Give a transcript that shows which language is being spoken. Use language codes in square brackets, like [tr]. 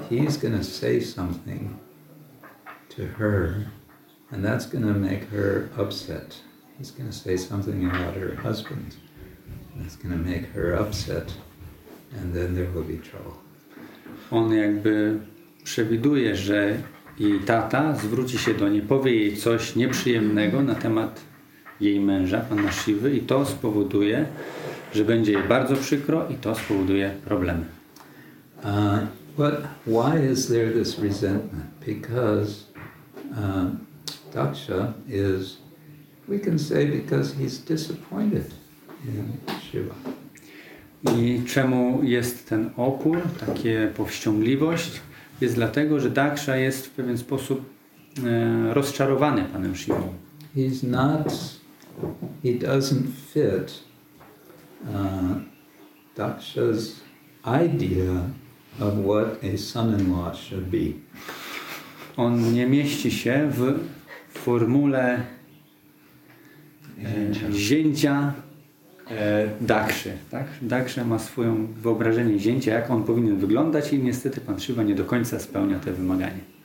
[en] He's going to say something to her, and that's going to make her upset. He's going to say something about her husband, and that's going to make her upset, and then there will be trouble. [pl] On jakby przewiduje, że jej tata zwróci się do niej, powie jej coś nieprzyjemnego na temat jej męża, pana Shivy, i to spowoduje, że będzie jej bardzo przykro, i to spowoduje problemy. [en] But why is there this resentment? Because Daksha is, we can say, because he's disappointed in Shiva. [pl] I czemu jest ten opór, takie powściągliwość? Jest dlatego, że Daksha jest w pewien sposób rozczarowany panem Shivą. [en] He's not, he doesn't fit Daksha's idea of what a son-in-law should be. [pl] On nie mieści się w formule zięcia Dakshy. Tak? Daksha ma swoją wyobrażenie zięcia, jak on powinien wyglądać, i niestety pan Shiva nie do końca spełnia te wymagania.